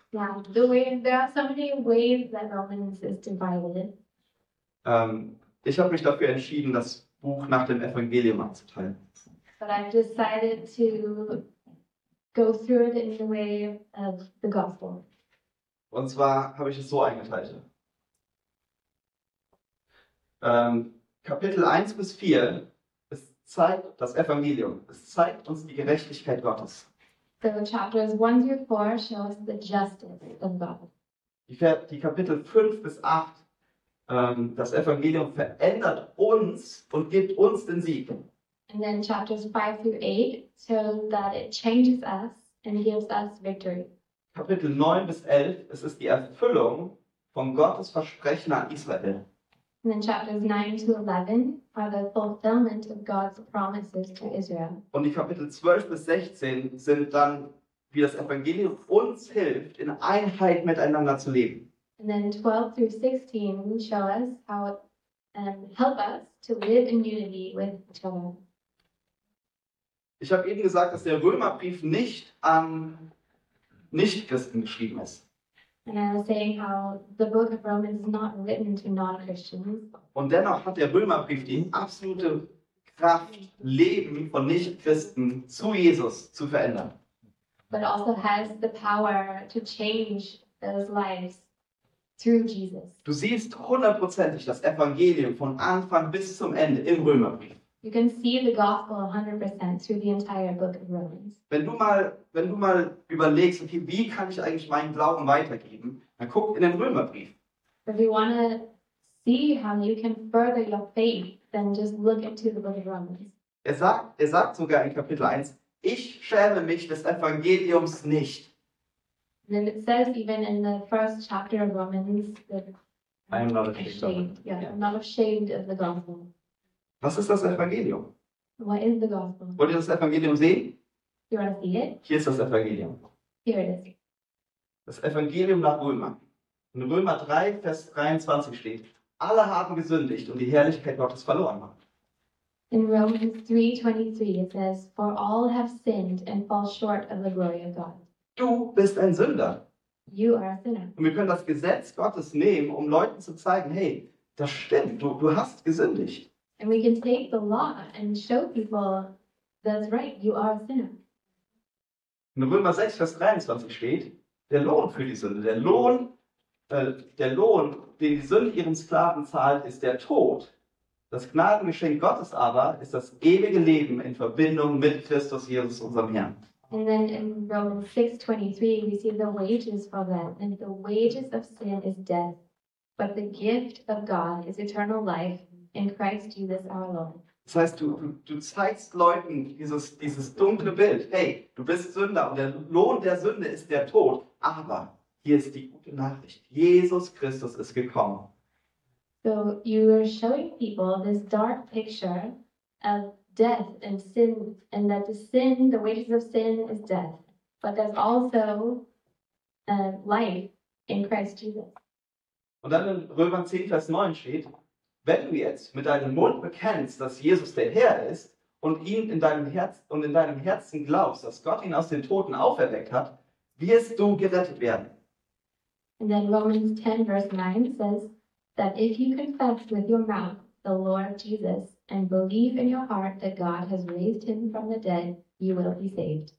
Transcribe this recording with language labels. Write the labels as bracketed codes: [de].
[en] There are so many ways that Romans is divided. [de] Ich habe mich dafür entschieden, das Buch nach dem Evangelium abzuteilen. [en] But I've decided to go through it in the way of the gospel. [de] Und zwar habe ich es so eingeteilt. Kapitel 1 bis 4 zeigt das Evangelium. Es zeigt uns die Gerechtigkeit Gottes. [en] So chapters 1 through 4 show us the justice of God. [de] Die Kapitel 5 bis 8, das Evangelium verändert uns und gibt uns den Sieg. [en] And then chapters 5 through 8 show that it changes us and gives us victory. [de] Kapitel 9 bis 11, es ist die Erfüllung von Gottes Versprechen an Israel. [en] And then chapters 9 to 11 are the fulfillment of God's promises to Israel. [de] Und die Kapitel 12 bis 16 sind dann, wie das Evangelium uns hilft, in Einheit miteinander zu leben. [en] And then 12 through 16 show us how it help us to live in unity with each other. [de] Ich habe eben gesagt, dass der Römerbrief nicht an Nichtchristen geschrieben ist. [en] And I was saying how the book of Romans is not written to non-Christians. [de] Und dennoch hat der Römerbrief die absolute Kraft, Leben von Nichtchristen zu Jesus zu verändern. [en] But also has the power to change those lives through Jesus. [de] Du siehst hundertprozentig das Evangelium von Anfang bis zum Ende im Römerbrief. [en] You can see the gospel 100% through the entire book of Romans. [de] Wenn du mal überlegst, okay, wie kann ich eigentlich meinen Glauben weitergeben, dann guck in den Römerbrief. [en] If you want to see how you can further your faith, then just look into the book of Romans. [de] Er sagt sogar in Kapitel 1, ich schäme mich des Evangeliums nicht. [en] And then it says even in the first chapter of Romans that I'm not ashamed of the gospel. [de] Was ist das Evangelium? [en] What is the gospel? [de] Wollt ihr das Evangelium sehen? [en] You want to see it? [de] Hier ist das Evangelium. [en] Here it is. [de] Das Evangelium nach Römer. In Römer 3, Vers 23 steht, alle haben gesündigt und die Herrlichkeit Gottes verloren. [en] In Romans 3:23 it says, for all have sinned and fall short of the glory of God. [de] Du bist ein Sünder. [en] You are a sinner. [de] Und wir können das Gesetz Gottes nehmen, um Leuten zu zeigen, hey, das stimmt, du hast gesündigt. [en] And we can take the law and show people that's right, you are a sinner. [de] In Römer 6, Vers 23 steht, der Lohn für die Sünde, der Lohn, den die Sünde ihren Sklaven zahlt, ist der Tod. Das Gnadengeschenk Gottes aber ist das ewige Leben in Verbindung mit Christus Jesus, unserem Herrn. [en] And then in Romans 6, 23, we see the wages for that. And the wages of sin is death. But the gift of God is eternal life. In Christ Jesus our Lord. [de] Das heißt, du zeigst Leuten dieses dunkle Bild. Hey, du bist Sünder und der Lohn der Sünde ist der Tod. Aber hier ist die gute Nachricht. Jesus Christus ist gekommen. [en] So you are showing people this dark picture of death and sin and that the sin, the wages of sin is death. But there's also life in Christ Jesus. [de] Und dann in Römer 10, Vers 9 steht, wenn du jetzt mit deinem Mund bekennst, dass Jesus der Herr ist und ihn in deinem Herz und in deinem Herzen glaubst, dass Gott ihn aus den Toten auferweckt hat, wirst du gerettet werden. [en] And then Romans 10, verse 9 says that if you confess with your mouth the Lord Jesus and believe in your heart that God has raised him from the dead, you will be saved.